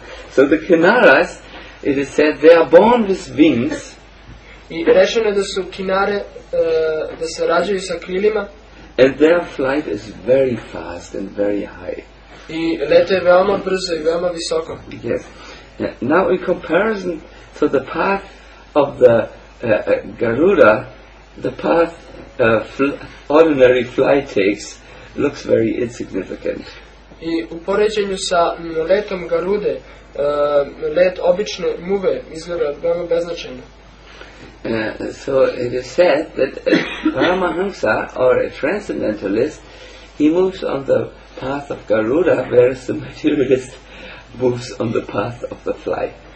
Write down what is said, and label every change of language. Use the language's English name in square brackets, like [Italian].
[English] So the Kinaras, it is said, they are born with wings. [Serbian] I rešeno je da su Kinare, da se rađaju sa krilima. [English] And their flight is very fast and very high. [Serbian] I lete veoma brzo i veoma visoko. [English] Yes. Now in comparison to the path of the Garuda, the path ordinary fly takes looks very insignificant. [Serbian] I u poređenju sa letom Garude, let obične muve izgleda veoma beznačajno. [English] So it is said that Paramahamsa, or a transcendentalist, he moves on the path of Garuda, whereas the materialist moves on the path of the fly.